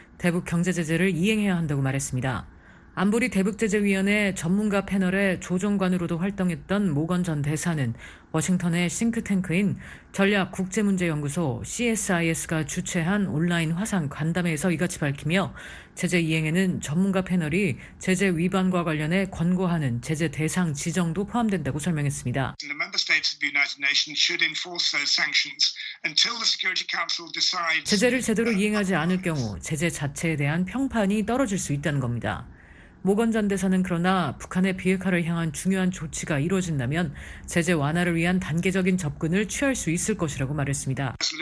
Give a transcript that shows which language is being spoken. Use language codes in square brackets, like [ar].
[ko] 대북 경제 제재를 이행해야 한다고 말했습니다. 안보리 대북제재위원회 전문가 패널의 조정관으로도 활동했던 모건 전 대사는 워싱턴의 싱크탱크인 전략국제문제연구소 CSIS가 주최한 온라인 화상 간담회에서 이같이 밝히며 제재 이행에는 전문가 패널이 제재 위반과 관련해 권고하는 제재 대상 지정도 포함된다고 설명했습니다. [en] The member states of the United Nations should enforce those sanctions until the Security Council decides. [ko] 제재를 제대로 이행하지 않을 경우 제재 자체에 대한 평판이 떨어질 수 있다는 겁니다. 모건 전 대사는 그러나 북한의 비핵화를 향한 중요한 조치가 이루어진다면 제재 완화를 위한 단계적인 접근을 취할 수 있을 것이라고 말했습니다.